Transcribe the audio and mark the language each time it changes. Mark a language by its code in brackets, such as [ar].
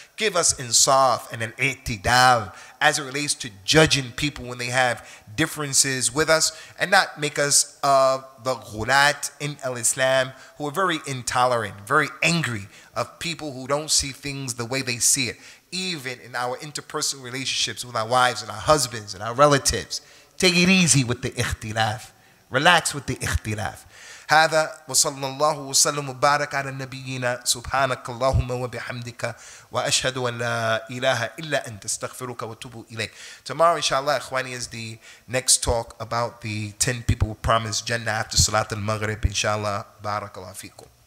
[en] Give us insaf and an i'tidal as it relates to judging people when they have differences with us, and not make us the ghulat in al-Islam, who are very intolerant, very angry of people who don't see things the way they see it. Even in our interpersonal relationships with our wives and our husbands and our relatives, take it easy with the ikhtilaf. Relax with the ikhtilaf. [ar] هذا وصلى الله وسلم وبارك على نبينا سبحانك اللهم وبحمدك وأشهد أن لا إله إلا أنت استغفرك وأتوب إليك. [en] Tomorrow, inshallah, Ikhwani, is the next talk about the 10 people who promised Jannah after Salat al-Maghrib. Inshallah, barakallahu fiikum.